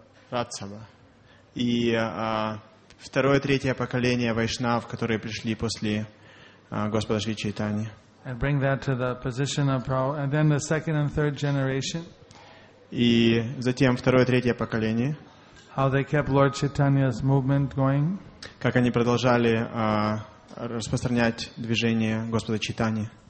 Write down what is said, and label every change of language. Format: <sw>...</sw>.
<ru>Рад Саба. И второе, третье поколение Вайшнав, которые пришли после Господа Шри Чайтани.</ru> <en>And bring that to the position of Prabhupada. And then the second and third generation.</en> <ru>И затем второе, третье поколение.</ru> <en>How they kept Lord Chaitanya's movement going.</en> <ru>Как они продолжали распространять движение Господа Чайтани.</ru>